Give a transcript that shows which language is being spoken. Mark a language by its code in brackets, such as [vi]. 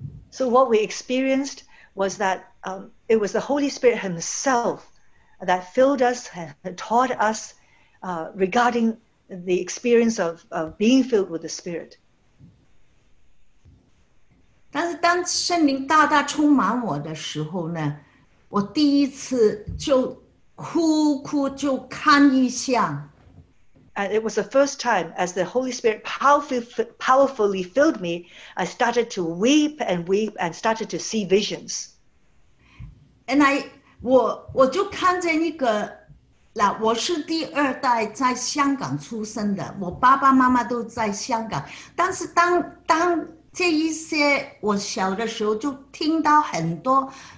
[en] So what we experienced was that it was the Holy Spirit Himself that filled us and taught us regarding the experience of being filled with the Spirit. [zh] 但是当圣灵大大充满我的时候呢，我第一次就 [en] And it was the first time as the Holy Spirit powerfully filled me, I started to weep and weep and started to see visions. And I [zh] 我就看见一个，那我是第二代在香港出生的，我爸爸妈妈都在香港，但是当这一些我小的时候就听到很多。